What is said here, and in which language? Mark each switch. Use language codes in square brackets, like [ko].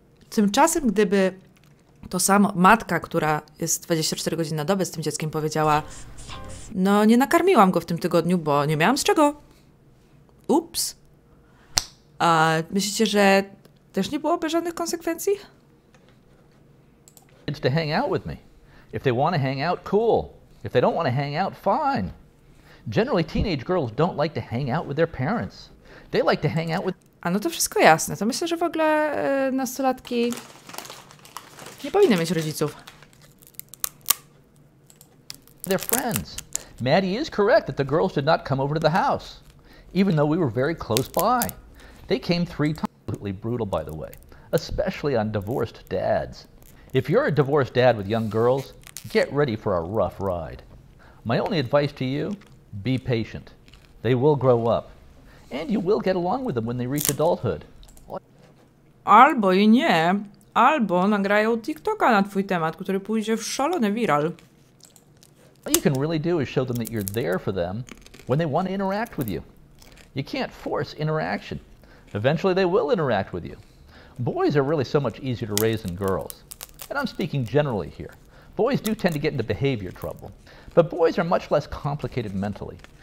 [pl] Tymczasem, gdyby to samo matka, która jest 24 godziny na dobę z tym dzieckiem, powiedziała, no nie nakarmiłam go w tym tygodniu, bo nie miałam z czego. Ups. A myślicie, że też nie byłoby żadnych konsekwencji? [en] Kids to hang out with me. If they want to hang out, cool. If they don't want to hang out, fine. Generally teenage girls don't like to hang out with their parents. They like to hang out with. [pl] A no to wszystko jasne. To myślę, że w ogóle nastolatki nie powinny mieć rodziców. [en] They're friends. Maddie is correct that the girls did not come over to the house, even though we were very close by. They came three times. Absolutely brutal, by the way, especially on divorced dads. If you're a divorced dad with young girls, get ready for a rough ride. My only advice to you, be patient. They will grow up. And you will get along with them when they reach adulthood. [pl] Albo i nie, albo nagrają TikToka na twój temat, który pójdzie w szalony viral. [en] All you can really do is show them that you're there for them when they want to interact with you. You can't force interaction. Eventually they will interact with you. Boys are really so much easier to raise than girls. And I'm speaking generally here. Boys do tend to get into behavior trouble. But boys are much less complicated mentally.